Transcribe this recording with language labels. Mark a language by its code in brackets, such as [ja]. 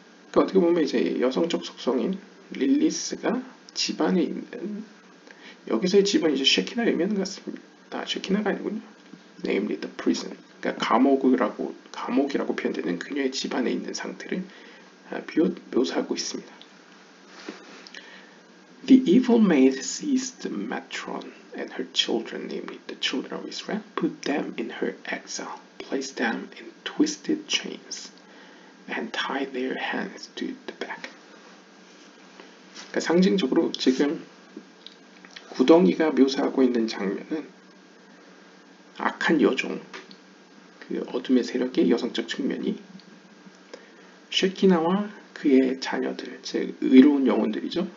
[ko] 그러니까 어떻게 보면 이제 여성적 속성인 릴리스가 집안에 있는, 여기서의 집은 이제 쉐키나 의미하는 것 같습니다. 쉐키나가 아니군요. [en] Namely the prison. [ko] 그러니까 감옥이라고 표현되는 그녀의 집안에 있는 상태를 묘사하고 있습니다. [en] The evil maid seized the matron and her children, namely the children of Israel, put them in her exile, placed them in twisted chains, and tied their hands to the back. [ko] 그러니까 상징적으로 지금 구덩이가 묘사하고 있는 장면은 악한 여종, 그 어둠의 세력의 여성적 측면이 쉐키나와 그의 자녀들, 즉 의로운 영혼들이죠.